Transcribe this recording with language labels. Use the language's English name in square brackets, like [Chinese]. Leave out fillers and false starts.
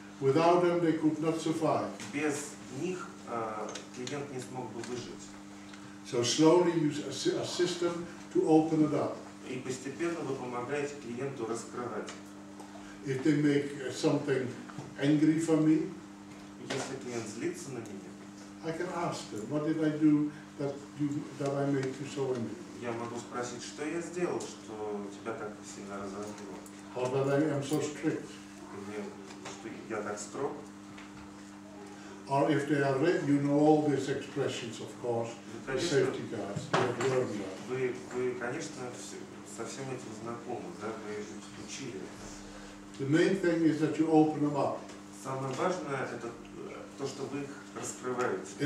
[English] Without them, they could not survive. [Russian] Без них клиент не смог бы выжить. [English] So slowly you assist them to open it up. [Russian] И постепенно вы помогаете клиенту раскрывать. [English] If they make something angry for me, [Russian] если клиент злится на меня, [English] I can ask them, what did I do that I made you so angry? [Russian] Я могу спросить, что я сделал, что тебя так сильно разозлило? [English] Or that I am so strict? [Russian] Что я так строг? [English] Or if they are ready, you know all these expressions, of course, the safety guards, you have learned that. [Russian] Вы, конечно, со всем этим знакомы, да? Вы учили это. [English] The main thing is that you open them up. [Russian] Самое важное – это то, что вы их раскрываете.